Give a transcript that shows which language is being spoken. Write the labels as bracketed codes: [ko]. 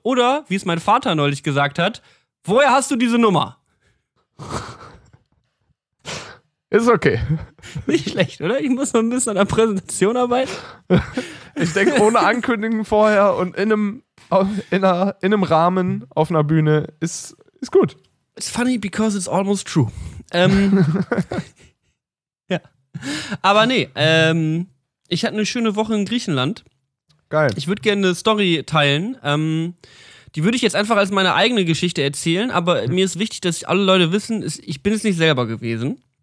[de] Oder, wie es mein Vater neulich gesagt hat, woher hast du diese Nummer? Ist okay. Nicht schlecht, oder? Ich muss noch ein bisschen an der Präsentation arbeiten. Ich denke, ohne Ankündigen vorher und in einem Rahmen auf einer Bühne ist gut. [en] It's funny because it's almost true. [de] ja. Aber nee, ich hatte eine schöne Woche in Griechenland. Geil. Ich würde gerne eine Story teilen. Die würde ich jetzt einfach als meine eigene Geschichte erzählen, aber mir ist wichtig, dass alle Leute wissen, ich bin es nicht selber gewesen.